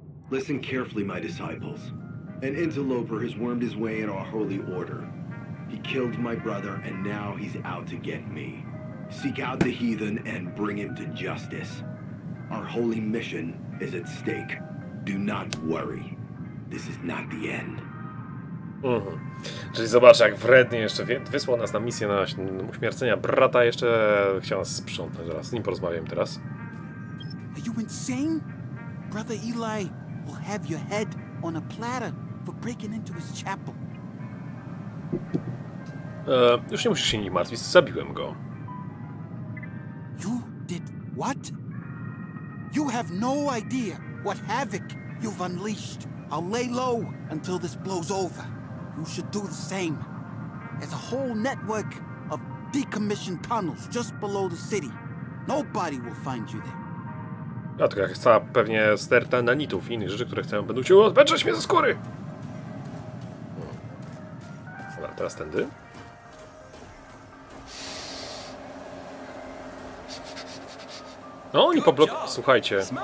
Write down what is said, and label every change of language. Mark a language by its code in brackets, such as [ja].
[en] Listen carefully, my disciples. An interloper has wormed his way in our holy order. He killed my brother, and now he's out to get me. Seek out the heathen and bring him to justice. Our holy mission is at stake. Do not worry. This is not the end. [pl] Czyli zobacz, jak wrednie jeszcze wysłał nas na misję na uśmiercenia brata, jeszcze chciał nas sprzątać. Zaraz z nim porozmawiam teraz. [en] Are you insane? Brother Eli will have your head on a platter for breaking into his chapel. [pl] Już nie musisz się nim martwić, zabiłem go. [en] You did what? You have no idea what havoc you've unleashed. I'll lay low until this blows over. You should do the same. There's a whole network of decommissioned tunnels just below the city. Nobody will find you there. [pl] A to jak cała pewnie sterta nanitów i innych rzeczy, które chcę, będą cię odbędzać mnie ze skóry! Dobra, teraz tędy. No, oni poblokowali. Słuchajcie.